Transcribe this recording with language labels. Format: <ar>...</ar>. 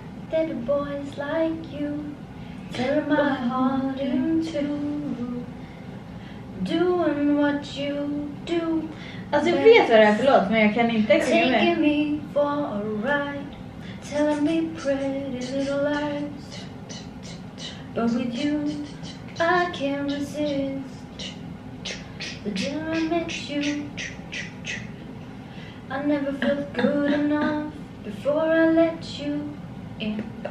<en>Dead boys like you tear my heart in two, doing what you do.</en> <sv>Alltså jag vet vad det är för låt, men jag kan inte sjunga med.</sv> <en>Taking me for a ride, telling me pretty little lies. But with you I can't resist the dinner I met you. I never felt good enough before I let you in.</en>